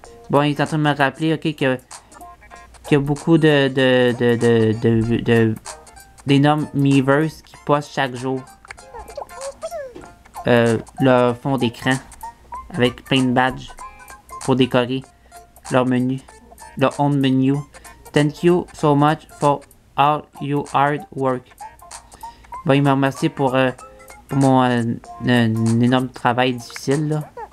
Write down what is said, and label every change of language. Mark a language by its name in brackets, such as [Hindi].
[French] Bon, il est en train de me rappeler, ok, qu'il y a beaucoup d'énormes Miiverse qui postent chaque jour leur fond d'écran avec plein de badges pour décorer leur menu, leur home menu. [English] Thank you so much for all your hard work. [French] Bon, il m'a remercié pour mon énorme travail difficile, là.